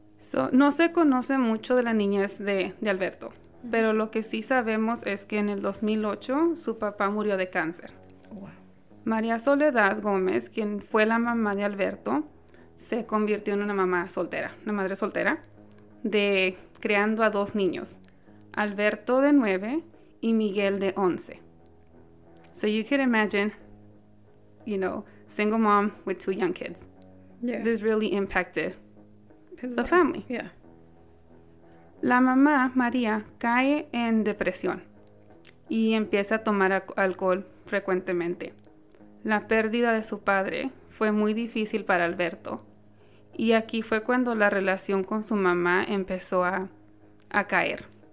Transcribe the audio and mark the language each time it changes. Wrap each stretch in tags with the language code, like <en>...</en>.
<es>So, no se conoce mucho de la niñez de Alberto, pero lo que sí sabemos es que en el 2008 su papá murió de cáncer.</es> <en>Wow.</en> <es>María Soledad Gómez, quien fue la mamá de Alberto, se convirtió en una mamá soltera, una madre soltera, creando a dos niños, Alberto de 9 y Miguel de 11.</es> <en>So you can imagine, you know, single mom with two young kids. Yeah. This really impacted the family. Yeah.</en> <es>La mamá, María, cae en depresión y empieza a tomar alcohol frecuentemente. La pérdida de su padre fue muy difícil para Alberto. Y aquí fue cuando la relación con su mamá empezó a caer.</es>